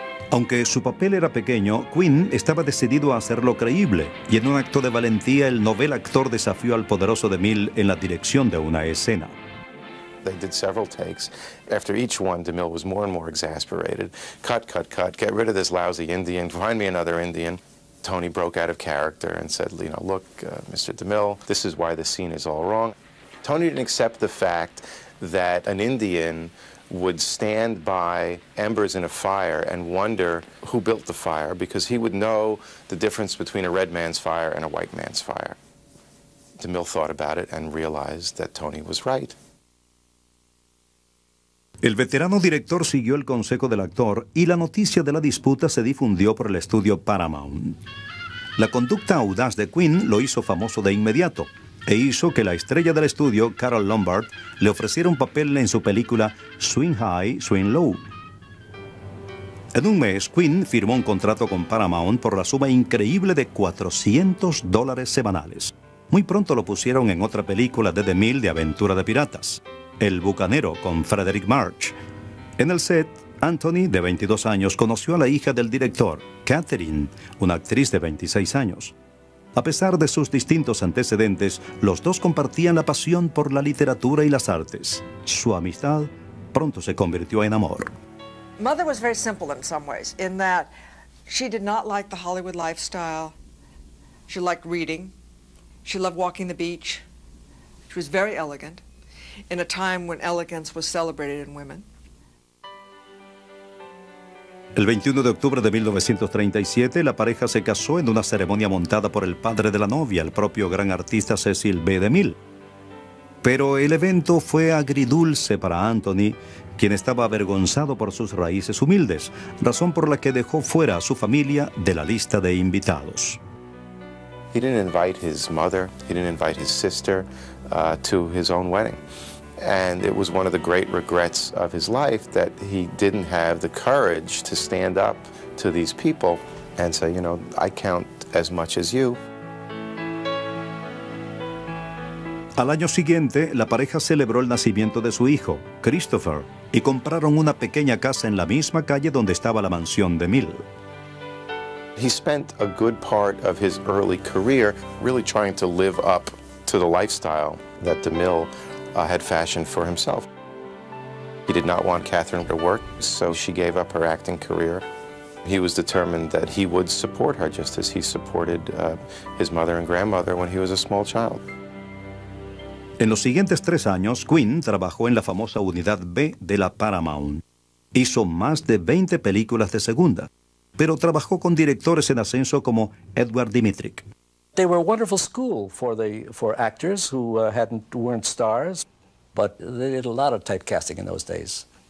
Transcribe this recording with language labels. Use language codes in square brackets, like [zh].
[es] Aunque su papel era pequeño, Quinn estaba decidido a hacerlo creíble y en un acto de valentía el novel actor desafió al poderoso DeMille en la dirección de una escena. [en] They did several takes. After each one, DeMille was more and more exasperated. Cut, cut, cut, get rid of this lousy Indian, find me another Indian. Tony broke out of character and said, you know, look, Mr. DeMille, this is why the scene is all wrong. Tony didn't accept the fact that an Indian would stand by embers in a fire and wonder who built the fire, because he would know the difference between a red man's fire and a white man's fire. DeMille thought about it and realized that Tony was right. [es] El veterano director siguió el consejo del actor y la noticia de la disputa se difundió por el estudio Paramount. La conducta audaz de Quinn lo hizo famoso de inmediato e hizo que la estrella del estudio, Carol Lombard, le ofreciera un papel en su película Swing High, Swing Low. En un mes, Quinn firmó un contrato con Paramount por la suma increíble de $400 semanales. Muy pronto lo pusieron en otra película de DeMille de aventura de piratas, El Bucanero, con Frederick March. En el set, Anthony, de 22 años, conoció a la hija del director, Catherine, una actriz de 26 años. A pesar de sus distintos antecedentes, los dos compartían la pasión por la literatura y las artes. Su amistad pronto se convirtió en amor. [en] Mother was very simple in some ways, in that she did not like the Hollywood lifestyle. She liked reading. She loved walking the beach. She was very elegant, in a time when elegance was celebrated in women. [es] El 21 de octubre de 1937, la pareja se casó en una ceremonia montada por el padre de la novia, el propio gran artista Cecil B. DeMille. Pero el evento fue agridulce para Anthony, quien estaba avergonzado por sus raíces humildes, razón por la que dejó fuera a su familia de la lista de invitados. [en] He didn't invite his mother, he didn't invite his sister to his own wedding. And it was one of the great regrets of his life that he didn't have the courage to stand up to these people and say, you know, I count as much as you. [es] Al año siguiente, la pareja celebró el nacimiento de su hijo, Christopher, y compraron una pequeña casa en la misma calle donde estaba la mansión de Mill. [en] He spent a good part of his early career really trying to live up to the lifestyle that DeMille had fashioned for himself. He did not want Catherine to work, so she gave up her acting career. He was determined that he would support her just as he supported his mother and grandmother when he was a small child. [es] En los siguientes tres años, Quinn trabajó en la famosa Unidad B de la Paramount. Hizo más de 20 películas de segunda, pero trabajó con directores en ascenso como Edward Dimitrik. [en] They were a wonderful school for actors who weren't stars, but they did a lot of typecasting in those days.